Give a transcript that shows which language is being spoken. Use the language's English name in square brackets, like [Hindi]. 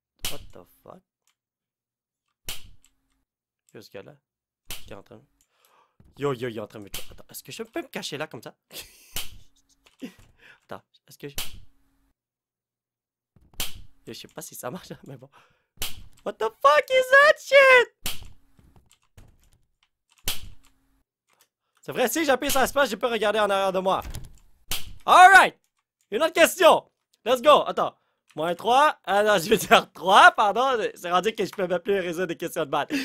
[English] What the fuck? [French] Yo, ce gars-là, qui est en train de... Yo, il est en train de... Attends, est-ce que je peux me cacher là, comme ça? Attends, est-ce que je... Yo, je sais pas si ça marche, mais bon. [English] What the fuck is that shit? [French] C'est vrai, si j'appuie sur l'espace, je peux regarder en arrière de moi. [English] Alright! [French] Une autre question! [English] Let's go! [French] Attends. Moins 3. Non, je veux dire 3, pardon. C'est rendu que je peux même plus résoudre des questions de maths.